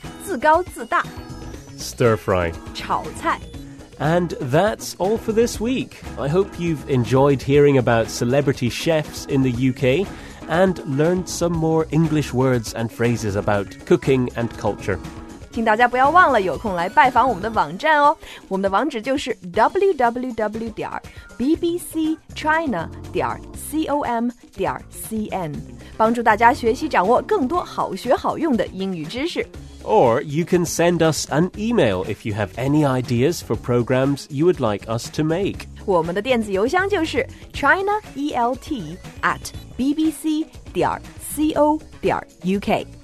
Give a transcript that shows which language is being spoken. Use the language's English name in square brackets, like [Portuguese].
[Chinese] 自高自大. [English] Stir fry. [Chinese] 炒菜. [English] And that's all for this week. I hope you've enjoyed hearing about celebrity chefs in the UK and learned some more English words and phrases about cooking and culture. [Chinese] 请大家不要忘了有空来拜访我们的网站哦。我们的网址就是 www.bbcchina.com.cn 帮助大家学习掌握更多好学好用的英语知识。 [English] Or you can send us an email if you have any ideas for programs you would like us to make. [Chinese] 我们的电子邮箱就是 chinaelt@bbc.co.uk.